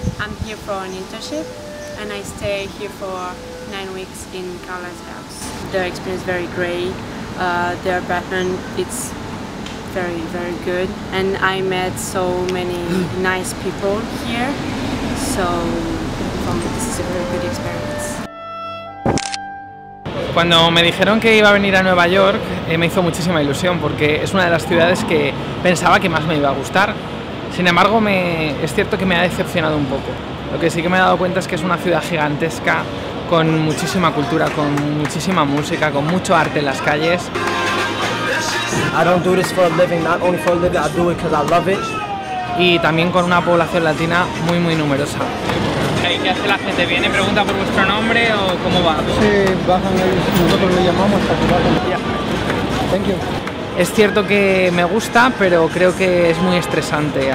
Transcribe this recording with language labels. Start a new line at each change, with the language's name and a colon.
English: I'm here for an internship, and I stay here for 9 weeks in Carla's house. Their experience is very great. Their background, it's very, very good, and I met so many nice people here, so this is a very good experience.
Spanish: Cuando me dijeron que iba a venir a Nueva York, me hizo muchísima ilusión porque es una de las ciudades que pensaba que más me iba a gustar. Sin embargo, es cierto que me ha decepcionado un poco. Lo que sí que me he dado cuenta es que es una ciudad gigantesca, con muchísima cultura, con muchísima música, con mucho arte en las calles.
English: I don't do this for a living, not only for a living, I do it because I love it.
Spanish: Y también con una población latina muy, muy numerosa. ¿Qué hace la gente? ¿Viene, pregunta por vuestro nombre o cómo va? Sí, bajan el... nosotros le llamamos para que bajen.
English: Thank you.
Spanish: Es cierto que me gusta, pero creo que es muy estresante.